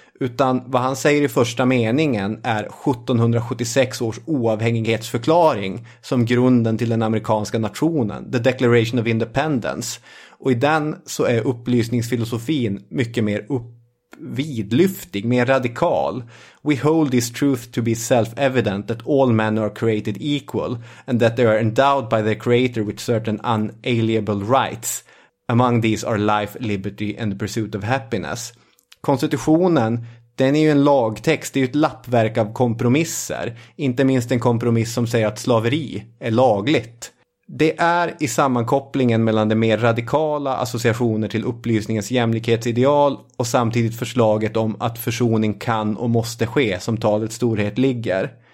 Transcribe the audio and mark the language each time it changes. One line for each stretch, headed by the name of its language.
Swedish: Utan vad han säger i första meningen är 1776 års oavhängighetsförklaring som grunden till den amerikanska nationen, The Declaration of Independence. Och i den så är upplysningsfilosofin mycket mer vidlyftig, mer radikal.
English: We hold this truth to be self-evident that all men are created equal and that they are endowed by their creator with certain unalienable rights. Among these are life, liberty and the pursuit of happiness.
Swedish: Konstitutionen, den är ju en lagtext, det är ju ett lappverk av kompromisser. Inte minst en kompromiss som säger att slaveri är lagligt. Det är i sammankopplingen mellan de mer radikala associationer till upplysningens jämlikhetsideal och samtidigt förslaget om att försoning kan och måste ske som talets storhet ligger.